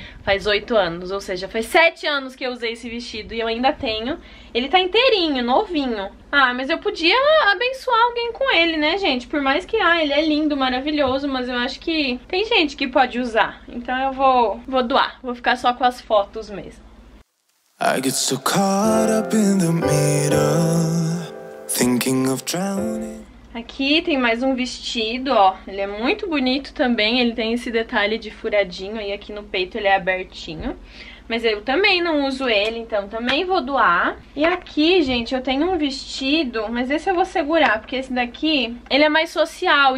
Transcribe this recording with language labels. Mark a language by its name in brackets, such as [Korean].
[Portuguese] Faz 8 anos, ou seja, faz 7 anos que eu usei esse vestido e eu ainda tenho. Ele tá inteirinho, novinho. Ah, mas eu podia abençoar alguém com ele, né, gente? Por mais que, ah, ele é lindo, maravilhoso, mas eu acho que tem gente que pode usar. Então eu vou doar, vou ficar só com as fotos mesmo. [English] I get so caught up in the middle, thinking of drowning. [Portuguese] Aqui tem mais um vestido, ó. Ele é muito bonito também. Ele tem esse detalhe de furadinho aí aqui no peito, ele é abertinho. Mas eu também não uso ele, então também vou doar. E aqui, gente, eu tenho um vestido, mas esse eu vou segurar, porque esse daqui, ele é mais social.